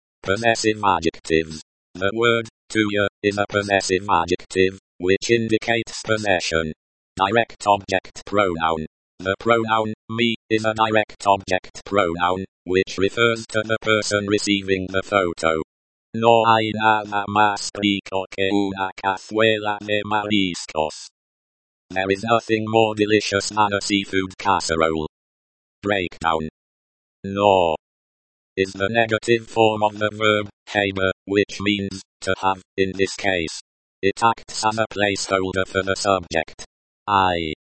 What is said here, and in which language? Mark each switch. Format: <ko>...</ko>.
<en>Possessive adjectives. The word, tuya, is a possessive adjective, which indicates possession. Direct object pronoun. The pronoun, me, is a direct object pronoun, which refers to the person receiving the photo.</en> <es>No hay nada más rico que una cazuela de mariscos.</es> <en>There is nothing more delicious than a seafood casserole. Breakdown. No is the negative form of the verb, haber, which means, to have, in this case. It acts as a placeholder for the subject. I.</en>